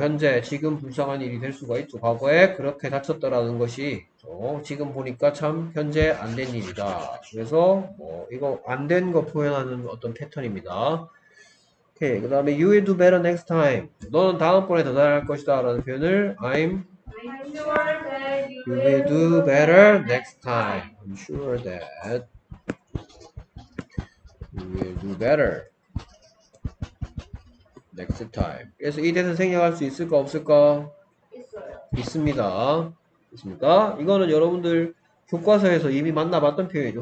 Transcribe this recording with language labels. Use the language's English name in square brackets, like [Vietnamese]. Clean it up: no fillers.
[Korean] 현재 지금 불쌍한 일이 될 수가 있죠. 과거에 그렇게 다쳤다라는 것이 지금 보니까 참 현재 안된 일이다. 그래서 뭐 이거 안된거 표현하는 어떤 패턴입니다. 오케이. 그 다음에 [English] You will do better next time. [Korean] 너는 다음번에 더 잘할 것이다 라는 표현을 [English] I'm sure that You will do better next time. I'm sure that You will do better next time. [Korean] 그래서 이 대사 생략할 수 있을까 없을까? 있습니다. 있습니까? 이거는 여러분들 교과서에서 이미 만나봤던 표현이죠.